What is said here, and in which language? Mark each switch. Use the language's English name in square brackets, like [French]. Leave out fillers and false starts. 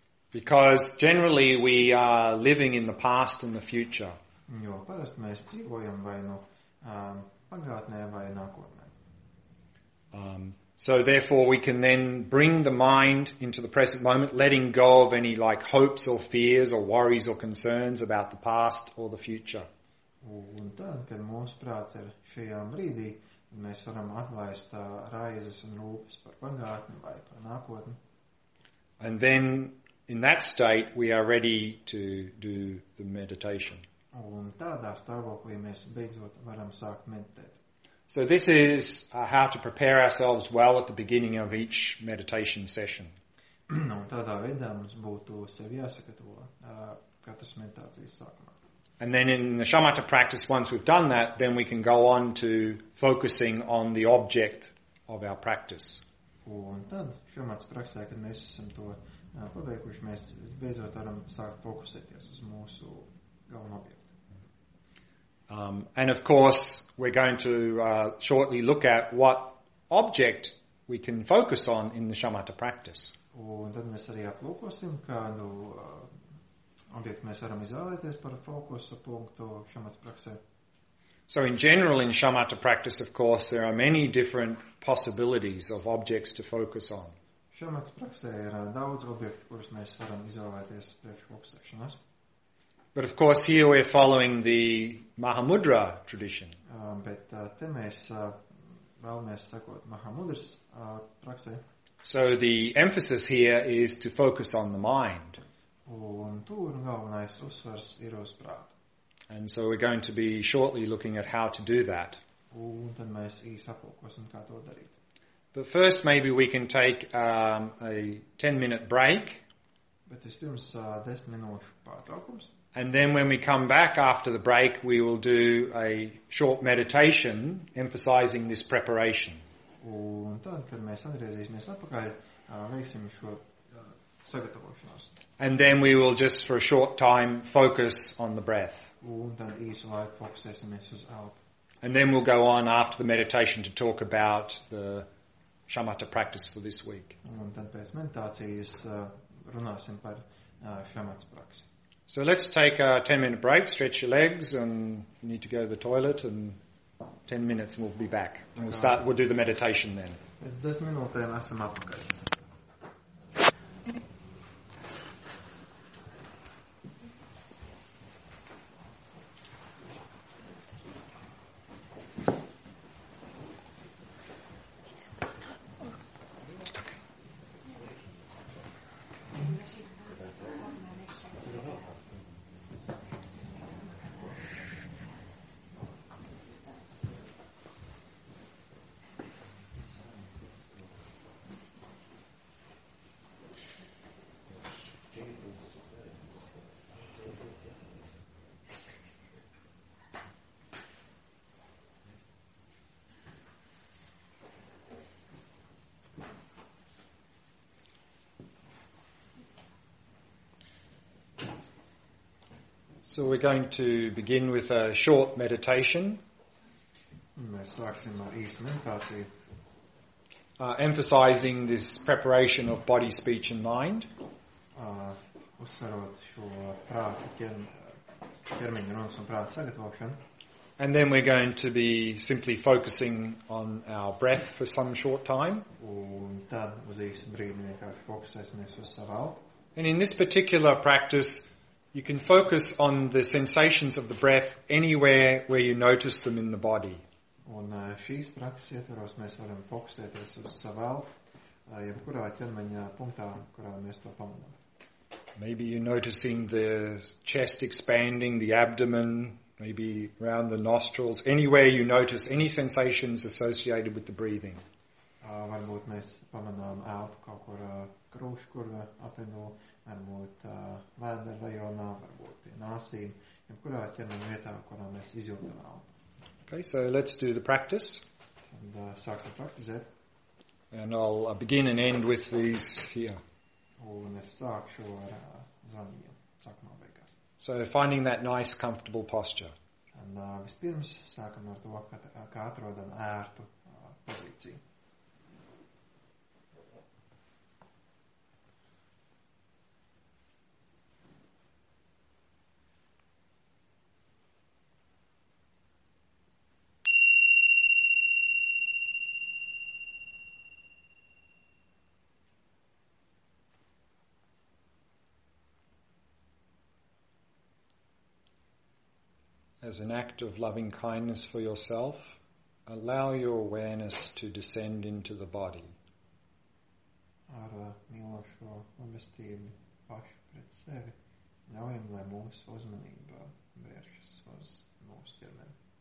[English] Because generally we are living in the past and the future. [Latvian] Jo parasti mēs dzīvojam vai no pagātnē vai nākotnē. [English] So therefore we can then bring the mind into the present moment, letting go of any like hopes or fears or worries or concerns about the past or the future. [Latvian] Un tad, kad mūsu prāts ir šajā brīdī, mēs varam atlaist raizes un rūpes par pagātni vai par nākotni. [English] And then in that state we are ready to do the meditation. [Latvian] Un tādā stāvoklī mēs beidzot varam sākt meditēt. [English] So this is how to prepare ourselves well at the beginning of each meditation session. [Latvian] No, tādā veidā mums būtu sevi jāsagatavo katras meditācijas sākumā. [English] And then in the shamatha practice, once we've done that, then we can go on to focusing on the object of our practice. [Latvian] Un tad, šamatas praksē, kad mēs esam to paveikuši, mēs beidzot varam sākt fokusēties uz mūsu galveno objektu. [English] And of course, we're going to shortly look at what object we can focus on in the shamatha practice. [Latvian] Un tad mēs arī aplūkosim, kādu objektu mēs varam izvēlēties par fokusa punktu šamatha praksē. [English] So in general, in shamatha practice, of course, there are many different possibilities of objects to focus on. [Latvian] Šamatha praksē ir daudz objektu, kurus mēs varam izvēlēties priekš fokusēšanās. [English] But of course here we're following the Mahamudra tradition. [Latvian] Bet te mēs vēlamies sakot Mahamudras praksē. [English] So the emphasis here is to focus on the mind. [Latvian] Un tur galvenais uzsvars ir uz prātu. [English] And so we're going to be shortly looking at how to do that. [Latvian] Un tad mēs īsi aplūkosim, kā to darīt. [English] But first maybe we can take a 10-minute break. [Latvian] Bet vispirms 10 minūšu pārtraukums. [English] And then when we come back after the break, we will do a short meditation emphasizing this preparation. [Latvian] Un tad, kad mēs atgriezīsimies atpakaļ, veiksim šo sagatavošanos. [English] And then we will just for a short time focus on the breath. [Latvian] Un tad īsu laiku fokusēsimies uz elpu. [English] And then we'll go on after the meditation to talk about the shamatha practice for this week. [Latvian] Un tad pēc meditācijas runāsim par shamatha praksi. [English] So let's take a 10-minute break, stretch your legs, and you need to go to the toilet, and 10 minutes and we'll be back. And we'll start, we'll do the meditation then. [Latvian] Pēc 10 minūtēm esam apakaļ. [English] So we're going to begin with a short meditation. [Latvian] Mēs sāksim ar īstu meditāciju. [English] Emphasizing this preparation of body, speech and mind. [Latvian] Uzsverot šo prātu, ķermeņa runas un prāta sagatavošanu. [English] And then we're going to be simply focusing on our breath for some short time. [Latvian] Un tad uz īstu brīdi vienkārši fokusēsimies uz savu elpu. [English] And in this particular practice, you can focus on the sensations of the breath anywhere where you notice them in the body. [Latvian] Un šīs prakses ietvaros mēs varam fokusēties uz savu elpu, jebkurā ķermeņa punktā, kurā mēs to pamanām. [English] Maybe you're noticing the chest expanding, the abdomen, maybe around the nostrils, anywhere you notice any sensations associated with the breathing. [Latvian] Varbūt mēs pamanām elpu kaut kur krūš, kur apvieno, varbūt vēdera rajonā, varbūt pie nāsīm, jebkurā ķermeņa vietā, kurā mēs izjūtam elpu. [English] Okay, so let's do the practice. [Latvian] Tad sāksim praktizēt. [English] And I'll begin and end with these here. [Latvian] Un es sākšu ar zvaniem, sākumā beigās. [English] So finding that nice, comfortable posture. [Latvian] Un vispirms sākam ar to, kā atrodam ērtu pozīciju. [English] As an act of loving kindness for yourself, allow your awareness to descend into the body. [Latvian] Ar mīlošo labestību pašu pret sevi, ļaujam, lai mūsu uzmanība vēršas uz mūsu ķermeni.